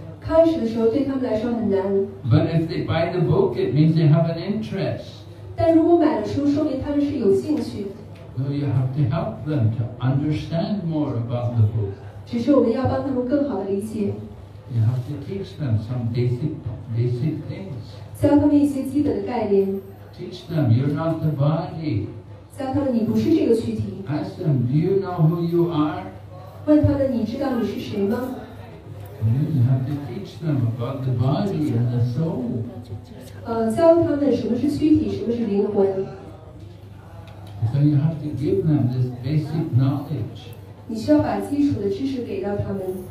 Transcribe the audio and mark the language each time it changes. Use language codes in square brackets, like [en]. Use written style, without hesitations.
[en] But if they buy the book, it means they have an interest. So you have to help them to understand more about the book. You have to teach them some basic things. [zh] 教他们一些基本的概念。 [en] Teach them you're not the body. [zh] 教他们你不是这个躯体。 [en] Ask them, do you know who you are? [zh] 问他们你知道你是谁吗？ [en] You have to teach them about the body and the soul. [zh] 教他们什么是躯体，什么是灵魂。 [en] So you have to give them this basic knowledge. [zh] 你需要把基础的知识给到他们。